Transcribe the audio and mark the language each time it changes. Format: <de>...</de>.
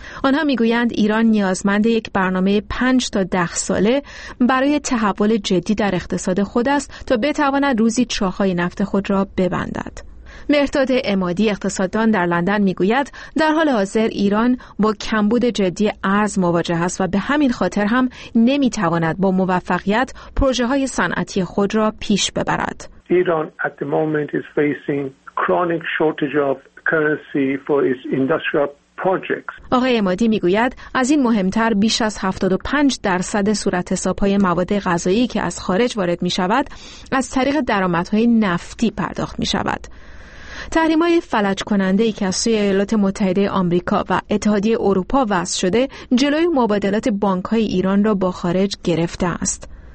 <fa>آنها میگویند ایران نیازمند یک برنامه 5 تا 10 ساله برای تحول جدی در اقتصاد خود است تا بتواند روزی چاهای نفت خود را ببندد. مهرداد عمادی اقتصاددان در لندن میگوید در حال حاضر ایران با کمبود جدی ارز مواجه است و به همین خاطر هم نمیتواند با موفقیت پروژه های صنعتی خود را پیش ببرد.</fa> <en>Iran at the moment is facing chronic shortage of currency for its industrial projects.</en> <fa>آقای عمادی میگوید از این مهمتر بیش از 75% صورتحساب‌های مواد غذایی که از خارج وارد میشود از طریق درآمدهای نفتی پرداخت میشود. تحریم‌های فلج کننده ای که از سوی ایالات متحده آمریکا و اتحادیه اروپا وضع شده جلوی مبادلات بانک‌های ایران را با خارج گرفته است.</fa>